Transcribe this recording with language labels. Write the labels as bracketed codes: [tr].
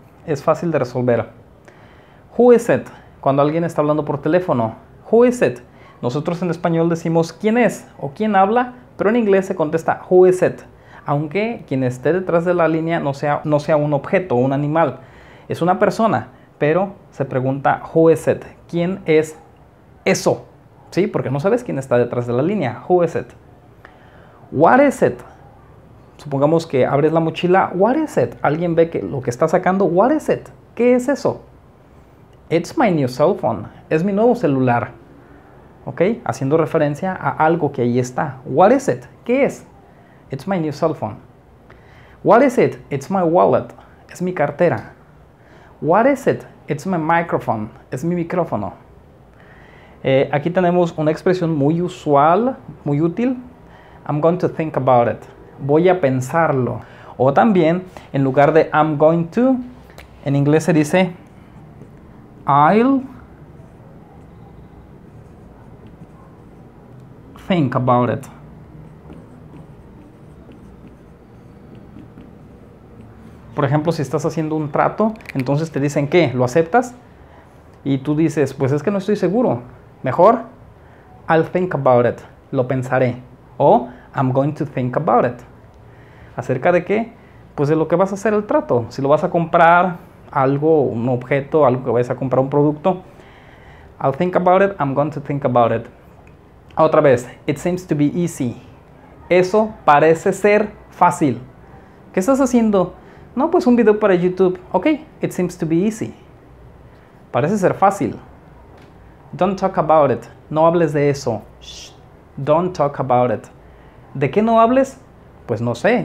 [es] Es fácil de resolver. [en] Who is it? [es] Cuando alguien está hablando por teléfono. Who is it? Nosotros en español decimos ¿quién es? O ¿quién habla? Pero en inglés se contesta [en] who is it? [es] Aunque quien esté detrás de la línea no sea un objeto o un animal. Es una persona. Pero se pregunta [en] who is it? [es] ¿Quién es eso? ¿Sí? Porque no sabes quién está detrás de la línea. [en] Who is it? What is it? [es] Supongamos que abres la mochila. [en] What is it? [es] Alguien ve que lo que está sacando. [en] What is it? [es] ¿Qué es eso? [en] It's my new cell phone. [es] Es mi nuevo celular. ¿Ok? Haciendo referencia a algo que ahí está. [en] What is it? [es] ¿Qué es? [en] It's my new cell phone. What is it? It's my wallet. [es] Es mi cartera. [en] What is it? It's my microphone. [es] Es mi micrófono. Aquí tenemos una expresión muy usual, muy útil. [en] I'm going to think about it. [es] Voy a pensarlo. O también, en lugar de [en] I'm going to, [es] en inglés se dice [en] I'll think about it. [es] Por ejemplo, si estás haciendo un trato, entonces te dicen ¿qué? ¿Lo aceptas? Y tú dices, pues es que no estoy seguro. [en] Mejor, I'll think about it. [es] Lo pensaré. [en] O, I'm going to think about it. [es] ¿Acerca de qué? Pues de lo que vas a hacer el trato. Si lo vas a comprar, algo, un objeto, algo que vayas a comprar, un producto. [en] I'll think about it. I'm going to think about it. [es] Otra vez, [en] it seems to be easy. [es] Eso parece ser fácil. ¿Qué estás haciendo? No, pues un video para YouTube. [en] Ok, it seems to be easy. [es] Parece ser fácil. [en] Don't talk about it. [es] No hables de eso. [en] Shh. Don't talk about it. [es] ¿De qué no hables? Pues no sé.